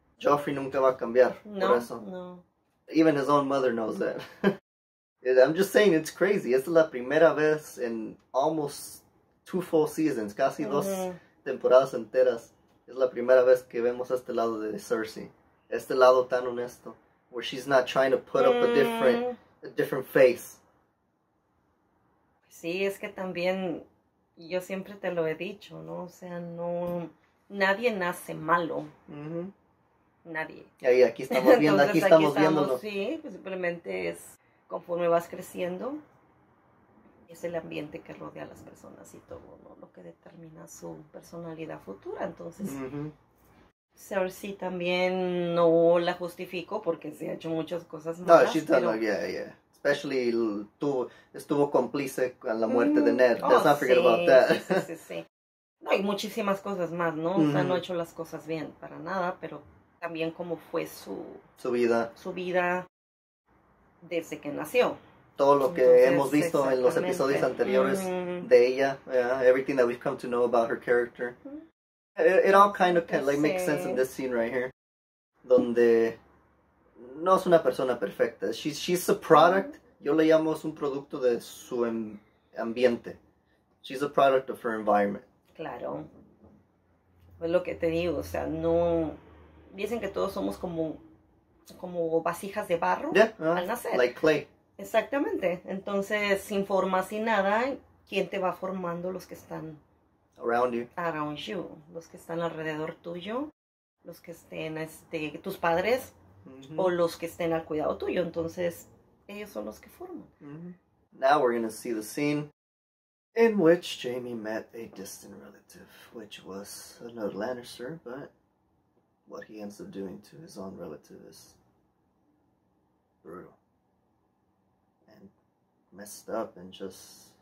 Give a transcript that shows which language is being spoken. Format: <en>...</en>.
<es>Joffrey nunca va a cambiar. No, por eso. No.</es> <en>Even his own mother knows that. I'm just saying, it's crazy.</en> <es>Es la primera vez</es> <en>in almost 2 full seasons,</en> <es>casi mm-hmm. 2 temporadas enteras. Es la primera vez que vemos este lado de Cersei. Este lado tan honesto.</es> <en>Where she's not trying to put up a different face.</en> <es>Sí, es que también, yo siempre te lo he dicho, ¿no? O sea, no, nadie nace malo. Mm-hmm. Nadie. Ahí, aquí estamos viendo, entonces, aquí estamos viéndolo. Sí, pues simplemente es conforme vas creciendo. Es el ambiente que rodea a las personas y todo, ¿no? Lo que determina su personalidad futura. Entonces, mm-hmm. Cersei también no la justifico porque se ha hecho muchas cosas malas.</es> <en>No, she's done,</en> <es>pero</es> <en>yeah. Especially,</en> <es>estuvo cómplice con la muerte de Ned.</es> <en>Let's not forget about that.</en> <es>Sí. No, hay muchísimas cosas más, ¿no? Mm-hmm. O sea, no ha hecho las cosas bien para nada, pero también cómo fue su vida desde que nació. Todo lo que entonces, hemos visto en los episodios anteriores mm-hmm. de ella.</es> <en>Yeah, everything that we've come to know about her character. Mm-hmm. It all kind of like makes sense in this scene right here.</en> <es>Donde no es una persona perfecta.</es> <en>She's a product. Mm-hmm.</en> <es>Yo le llamo es un producto de su ambiente.</es> <en>She's a product of her environment.</en> <es>Claro. Pues lo que te digo, o sea, no. Dicen que todos somos como vasijas de barro al nacer.</es> <en>Like clay.</en> <es>Exactamente. Entonces, sin forma, sin nada, ¿quién te va formando? Los que están</es> <en>around you,</en> <es>los que están alrededor tuyo, los que estén tus padres mm-hmm. o los que estén al cuidado tuyo. Entonces, ellos son los que forman. Mm-hmm.</es> <en>Now we're going to see the scene in which Jaime met a distant relative, which was another Lannister, but what he ends up doing to his own relative is brutal. Messed up and just</en>